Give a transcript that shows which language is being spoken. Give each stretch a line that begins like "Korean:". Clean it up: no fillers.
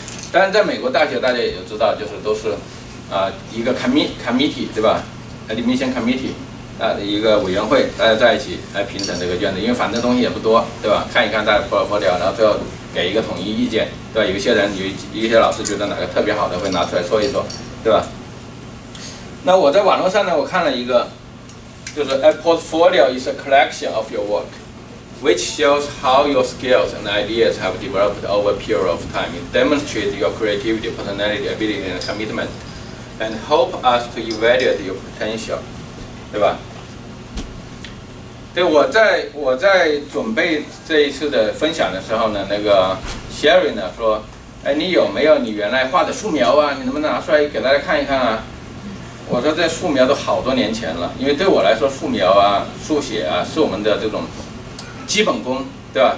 Chinese: 但是在美国大学大家也知道，就是都是一个 committee， 对吧？ admission committee 一个委员会，大家在一起来评审这个卷子，因为反正东西也不多，对吧？看一看大家 portfolio， 然后最后给一个统一意见，对吧？有些人有一些老师觉得哪个特别好的会拿出来说一说，对吧？那我在网络上呢，我看了一个，就是
English: a portfolio is a collection of your workwhich shows how your skills and ideas have developed over a period of time. It demonstrates your creativity, personality, ability, and commitment, and help us to evaluate your potential.
Chinese: 对吧？对，我在准备这一次的分享的时候呢，那个 Sherry 呢说，哎，你有没有你原来画的素描啊？你能不能拿出来给大家看一看啊？我说这素描都好多年前了，因为对我来说，素描啊、速写啊，是我们的这种基本功，对吧？